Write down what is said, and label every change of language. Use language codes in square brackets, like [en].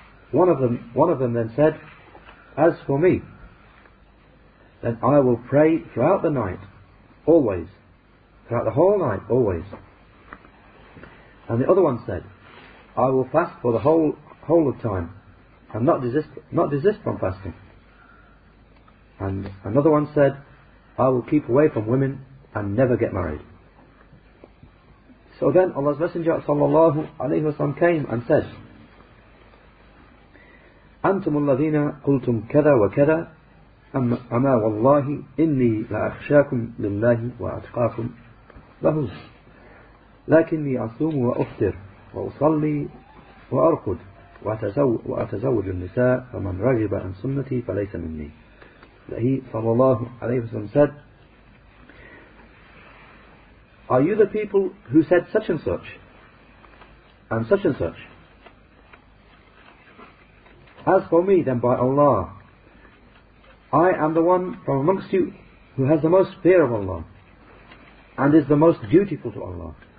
[en] One of them then said, as for me, then I will pray throughout the night, always, throughout the whole night, always. And the other one said, I will fast for the whole of time, and not desist from fasting. And another one said, I will keep away from women and never get married. [ar] So then Allah's Messenger sallallahu alaihi wasallam came and said, أنتم الذين قلتم كذا وكذا أما والله إني لأخشاكم لله وأتقاكم له لكني أصوم وأفطر وأصلي وأرقد وأتزوج النساء فمن رغب عن سنتي فليس مني. [en] That he sallallahu alayhi wa sallam said, are you the people who said such and such and such and such? As for me, then by Allah, I am the one from amongst you who has the most fear of Allah and is the most dutiful to Allah.